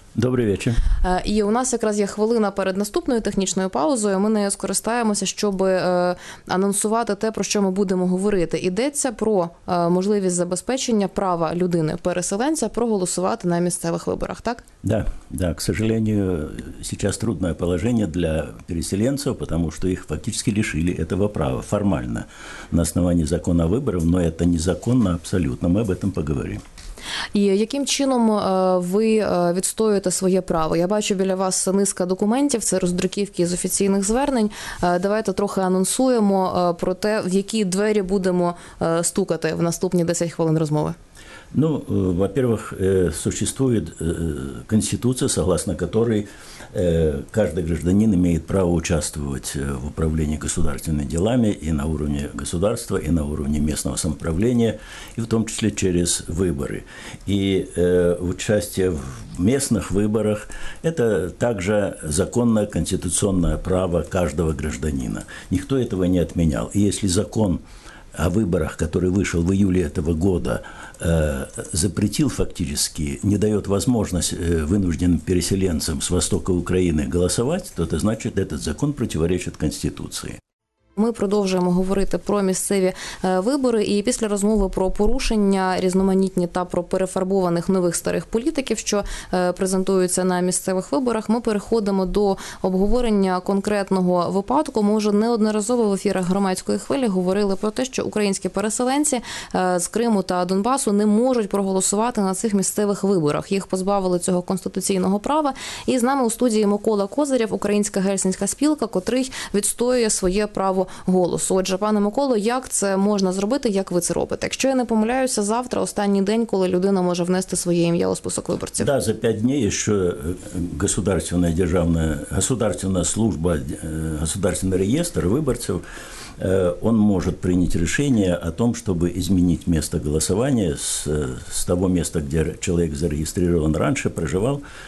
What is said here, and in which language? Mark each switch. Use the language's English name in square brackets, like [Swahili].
[Ukrainian] Добрий вечір. І у нас якраз є хвилина перед наступною технічною паузою. Ми нею скористаємося, щоб анонсувати те, про що ми будемо говорити. Йдеться про можливість забезпечення права людини-переселенця проголосувати на місцевих виборах, так? [Russian] Да, да. К сожалению, сейчас трудное положение для переселенцев, потому что их фактически лишили этого права формально на основании закона о выборах, но это незаконно абсолютно. Мы об этом поговорим. [Ukrainian] І яким чином ви відстоюєте своє право? Я бачу біля вас низка документів, це роздруківки з офіційних звернень. Давайте трохи анонсуємо про те, в які двері будемо стукати в наступні 10 хвилин розмови. [Russian] Ну, во-первых, существует конституция, согласно которой каждый гражданин имеет право участвовать в управлении государственными делами и на уровне государства, и на уровне местного самоуправления, и в том числе через выборы. И участие в местных выборах – это также законное конституционное право каждого гражданина. Никто этого не отменял. И если закон о выборах, который вышел в июле этого года, запретил фактически, не дает возможность вынужденным переселенцам с востока Украины голосовать, то это значит, этот закон противоречит Конституции. [Ukrainian] Ми продовжуємо говорити про місцеві вибори, і після розмови про порушення різноманітні та про перефарбованих нових старих політиків, що презентуються на місцевих виборах, ми переходимо до обговорення конкретного випадку. Ми вже неодноразово в ефірах громадської хвилі говорили про те, що українські переселенці з Криму та Донбасу не можуть проголосувати на цих місцевих виборах. Їх позбавили цього конституційного права. І з нами у студії Микола Козирєв, Українська Гельсінська спілка, котрий відстоює своє право голосу. Отже, пане Миколо, як це можна зробити, як ви це робите? Якщо я не помиляюся, завтра останній день, коли людина може внести своє ім'я у список виборців. [Russian] Да, [Ukrainian] за 5 днів, що [Russian] государственная державная, государственная служба, государственный реестр [Ukrainian] виборців, [Russian] он может принять решение о том, чтобы изменить место голосования с того места, где человек зарегистрирован раньше, проживал.